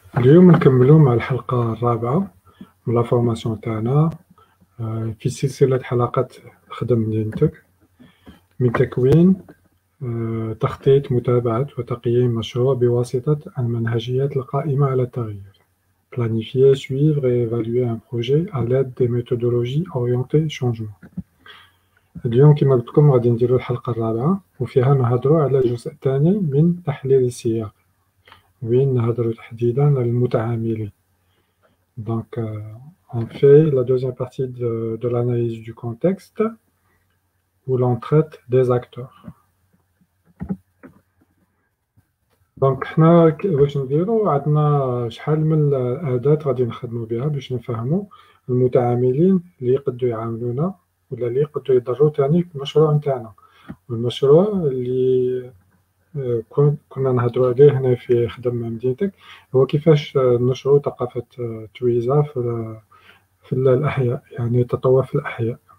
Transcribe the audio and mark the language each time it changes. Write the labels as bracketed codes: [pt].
[ar] اليوم نكملوا مع الحلقة الرابعة من لا فورماسيون تاعنا في سلسلة حلقات خدم مدينتك من تكوين تخطيط متابعة وتقييم مشروع بواسطة المنهجيات القائمة على التغيير. [fr] Planifier, suivre et évaluer un projet à l'aide des méthodologies orientées changement. [ar] اليوم كما قلت لكم غادي نديروا الحلقة الرابعة وفيها نهضروا على الجزء الثاني من تحليل السياق. وين نهضروا تحديدا للمتعاملين. [fr] دونك on fait la deuxième partie de l'analyse du contexte où l'on traite des acteurs. [ar] دونك حنا واش نديروا عندنا شحال من الاداه غادي نخدموا بها باش نفهموا المتعاملين اللي يقدروا يعاملونا ولا اللي يقدروا يضروا ثاني في المشروع نتاعنا. والمشروع اللي كنا نهضروا عليه هنا في خدمة مدينتك هو كيفاش نشروا ثقافة تويزا في الأحياء، يعني تطوع في الأحياء.